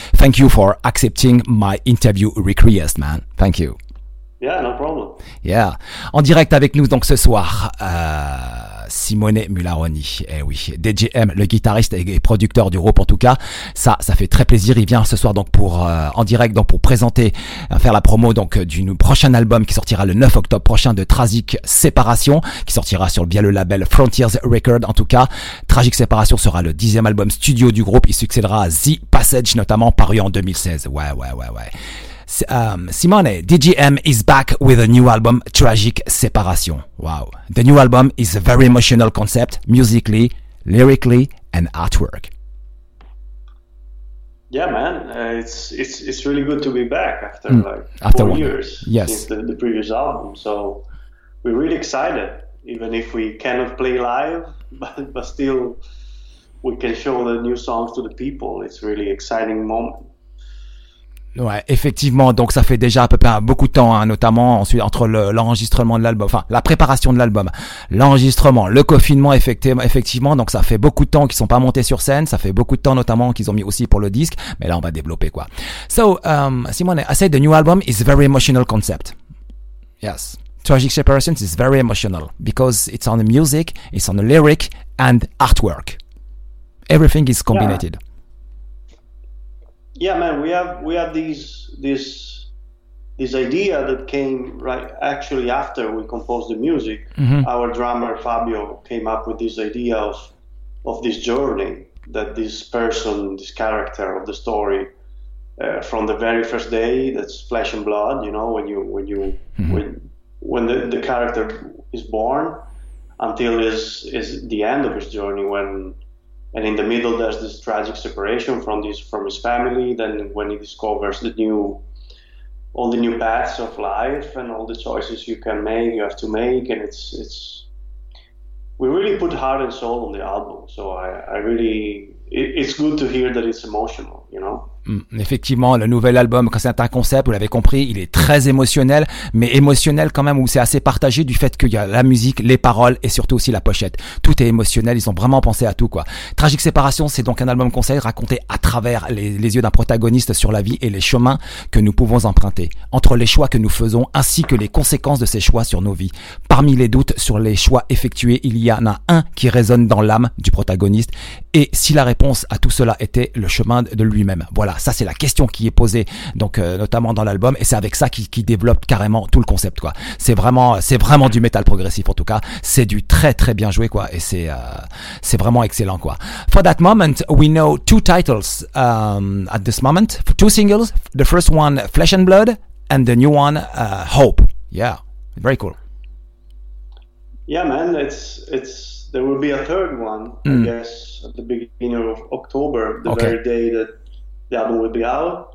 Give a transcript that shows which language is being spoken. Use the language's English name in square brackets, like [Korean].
[English] Thank you for accepting my interview request, man. Thank you. Yeah, no problem. Yeah. [French] En direct avec nous donc ce soir, Simone Mularoni, eh oui, DJM, le guitariste et producteur du groupe en tout cas, ça fait très plaisir. Il vient ce soir donc pour en direct donc pour présenter, faire la promo donc du prochain album qui sortira le 9 octobre prochain de Tragic Séparation, qui sortira sur via le label Frontiers Record. En tout cas, Tragic Séparation sera le 10e album studio du groupe. Il succédera à The Passage, notamment paru en 2016. Ouais, ouais, ouais, ouais. [English] Simone, DJM is back with a new album, Tragic Séparation. Wow. The new album is a very emotional concept, musically, lyrically, and artwork. Yeah, man. It's really good to be back after four years yes. since the previous album. So we're really excited, even if we cannot play live, but still we can show the new songs to the people. It's really exciting moment. [French] Ouais, effectivement, donc ça fait déjà à peu près beaucoup de temps, hein, notamment ensuite entre l'enregistrement de l'album, enfin la préparation de l'album, l'enregistrement, le confinement, effectivement, donc ça fait beaucoup de temps qu'ils sont pas montés sur scène, ça fait beaucoup de temps notamment qu'ils ont mis aussi pour le disque, mais là on va développer quoi. [English] So, Simone, I said the new album is a very emotional concept. Yes, Tragic Separations is very emotional because it's on the music, it's on the lyric and artwork. Everything is combinated. Yeah. Yeah, man, we have this idea that came right actually after we composed the music. Mm-hmm. Our drummer Fabio came up with this idea of this journey that this person, this character of the story, from the very first day, that's flesh and blood. You know, when you mm-hmm. when the character is born until is the end of his journey when. And in the middle, there's this tragic separation from his family. Then when he discovers all the new paths of life and all the choices you have to make. And it's we really put heart and soul on the album. So it's good to hear that it's emotional, you know? [French] Effectivement, le nouvel album, quand c'est un concept, vous l'avez compris, il est très émotionnel, mais émotionnel quand même, où c'est assez partagé du fait qu'il y a la musique, les paroles et surtout aussi la pochette. Tout est émotionnel, ils ont vraiment pensé à tout, quoi. Tragic Séparation, c'est donc un album conseil raconté à travers les yeux d'un protagoniste sur la vie et les chemins que nous pouvons emprunter, entre les choix que nous faisons ainsi que les conséquences de ces choix sur nos vies. Parmi les doutes sur les choix effectués, il y en a un qui résonne dans l'âme du protagoniste et si la réponse à tout cela était le chemin de lui-même. Voilà. Ça, c'est la question qui est posée, donc notamment dans l'album, et c'est avec ça qui développe carrément tout le concept, quoi. C'est vraiment du métal progressif, en tout cas. C'est du très très bien joué, quoi, et c'est vraiment excellent, quoi. [English] For that moment, we know two titles at this moment, two singles. The first one, Flesh and Blood, and the new one, Hope. Yeah, very cool. Yeah, man, there will be a third one, I guess, at the beginning of October, very day that the album will be out.